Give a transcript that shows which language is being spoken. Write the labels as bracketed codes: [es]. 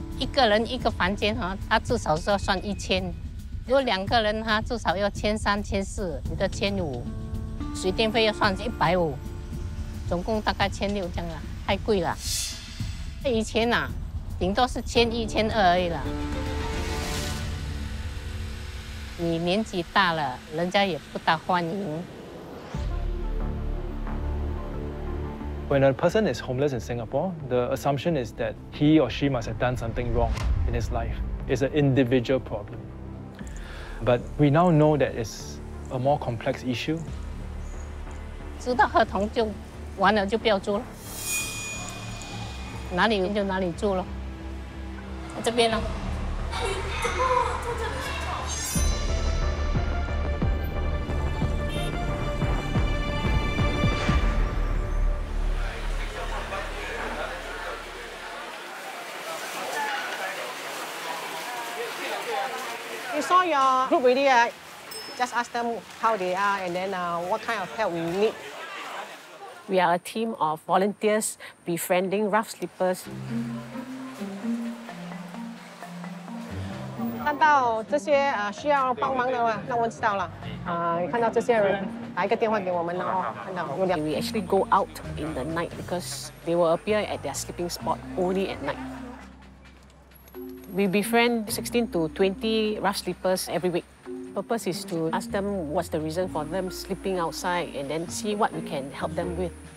[zh] 一个人一个房间哈，他至少是要算1000。如果两个人哈，至少要1300、1400，你的1500，水电费要算150，总共大概1600这样啦，太贵了。以前呐，顶多是1100、1200而已了。你年纪大了，人家也不大欢迎。 [en] When a person is homeless in Singapore, the assumption is that he or she must have done something wrong in his life. It's an individual problem. But we now know that it's a more complex issue. [zh] 知道合同就完了，就不要租了。哪里就哪里住了。这边了。 [en] You saw your group already, just ask them how they are and then what kind of help we need. We are a team of volunteers befriending rough sleepers. [zh] 看到这些需要帮忙的话，那我知道了。看到这些人打一个电话给我们了哦，看到。 [en] We actually go out in the night because they will appear at their sleeping spot only at night. We befriend 16 to 20 rough sleepers every week. Purpose is to ask them what's the reason for them sleeping outside and then see what we can help them with.